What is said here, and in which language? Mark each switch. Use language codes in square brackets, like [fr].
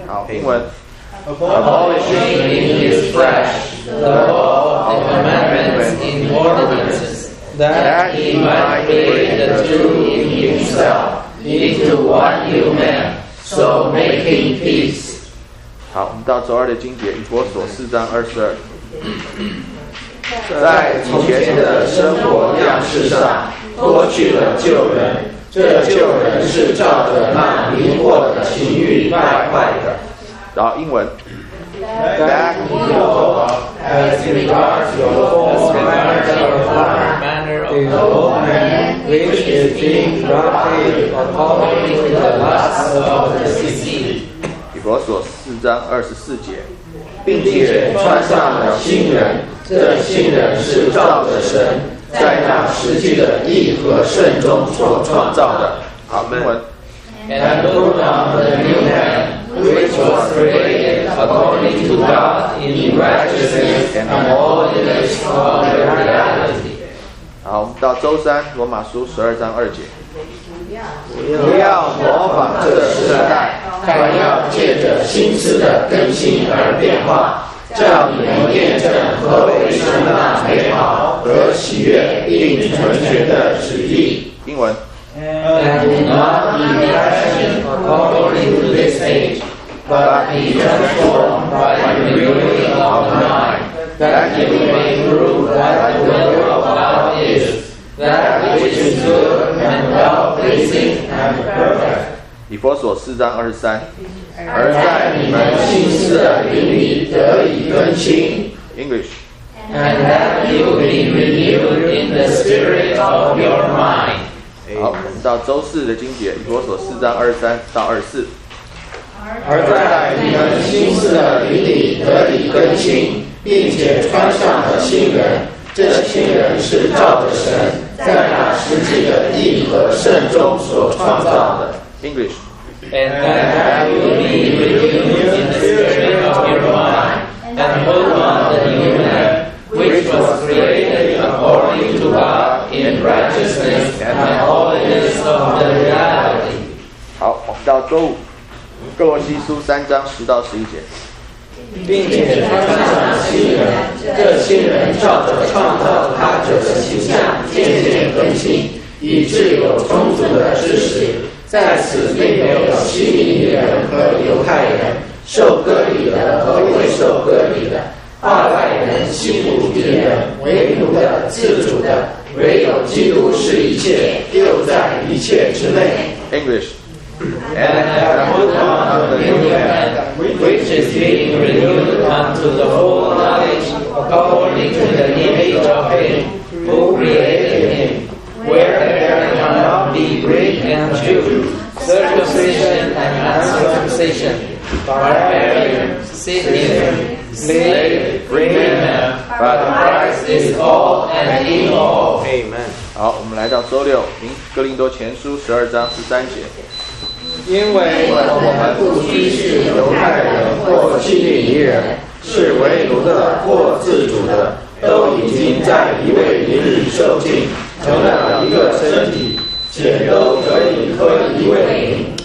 [zh] 好，英文。 [en] Abolishing in his flesh the law of commandments in ordinances, that he might bring the two in himself into one new man, so making peace. [zh] 好，我们到周二的经节，以弗所四章二十二。在从前的生活样式上脱去了旧人，这旧人是照着那迷惑的情欲败坏的。然后英文 [en] That you know as regards your former manner of life, the old man which is being corrupted according to the lusts of the deceit. [zh] 以弗所四章二十四节，并且穿上了新人，这新人是照着神在那实际的义和圣中所创造的。好，英文 [en] And put on the new man. Which was created according to God in righteousness and holiness of reality. [zh] 好，我们到周三，罗马书十二章二节。不要模仿这时代，但要借着心思的更新而变化，叫你们验证何为神那美好和喜悦并纯全的旨意。英文。 [en] And do not be fashioned according to this age, but be transformed by the renewing of the mind, that you may prove that the will of God is, that which is good and well-pleasing and perfect. [zh] 以弗所四章二十三，而在你们心思的灵里得以更新。 [en] English. And that you be renewed in the spirit of your mind. [zh] 好，我们到周四的经节，以弗所四章二十三到二十四。而在你们心思的灵里得以更新，并且穿上了新人，这新人是照着神在那实际的义和圣中所创造的。 [en] English. And that you be renewed in the spirit of your mind, and put on the new man, which was created according to God. In righteousness and holiness of the reality. [zh] 好，我们到周五，哥罗西书三章十到十一节。并且穿上新人，这新人照着创造他者的形象渐渐更新，以致有充足的知识。在此并没有希腊人和犹太人，受割礼的和未受割礼的，化外人、欺负别人、为奴的、自主的。唯有基督是一切，又在一切之内。 [en] English. And have put on the new man, which is being renewed unto the full knowledge according to the image of him who created him, where there cannot be Greek and Jew, circumcision and uncircumcision, barbarian, Scythian, slave, free man. But Christ is all and in all. Amen. [zh] 好，我们来到周六，哥林多前书十二章十三节。因为我们不拘是犹太人或希腊人，是为奴的或自主的，都已经在一位灵里受浸，成了一个身体，且都可以喝一位灵。